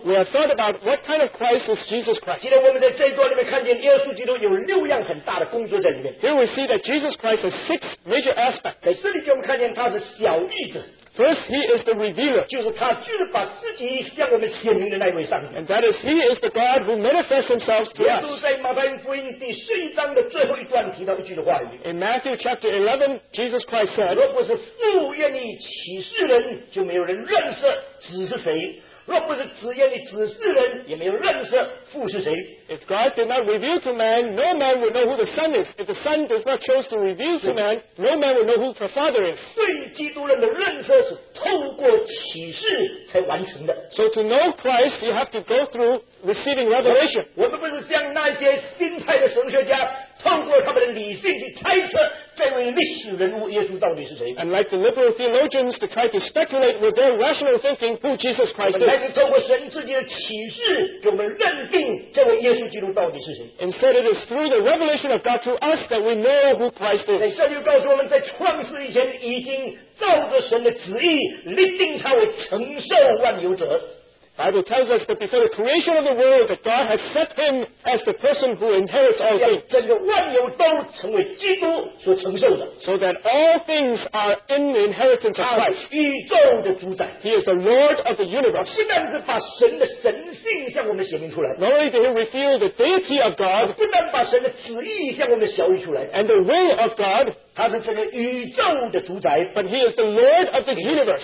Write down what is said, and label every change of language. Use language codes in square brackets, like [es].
[en] We have thought about what kind of Christ is Jesus Christ. [zh] 今天我们在这一段里面看见耶稣基督有六样很大的工作在里面。 [en] Here we see that Jesus Christ has six major aspects. [zh] 在这里给我们看见他是小义。 [en] First, He is the revealer. [zh] 就是他就是把自己向我们显明的那位上帝。 [en] And that is, He is the God who manifests Himself to us. [zh] 耶稣在马太福音第十一章的最后一段提到一句的话语。 [en] In Matthew chapter 11, Jesus Christ said, [zh] 若不是父愿意启示人，就没有人认识子是谁。若不是子愿意指示人，也没有认识父是谁。 [en] If God did not reveal to man, no man would know who the Son is. If the Son does not choose to reveal to man, no man would know who the Father is. [zh] 对基督人的认识是透过启示才完成的。 [en] So to know Christ, you have to go through receiving revelation. [zh] 我们不是像那些新派的神学家，透过他们的理性去猜测这位历史人物耶稣到底是谁。 [en] And like the liberal theologians to try to speculate with their rational thinking who Jesus Christ is. [zh] 我们还是透过神自己的启示给我们认定这位耶稣基督到底是谁。 [en] Instead, it is through the revelation of God to us that we know who Christ is. [zh] 在圣经告诉我们，在创世以前已经照着神的旨意立定他为承受万有者。 [en] Bible tells us that before the creation of the world, that God has set him as the person who inherits all things. So that all things are in the inheritance of Christ. He is the Lord of the universe. Not only did he reveal the deity of God, and the will of God, but he is the Lord of the universe.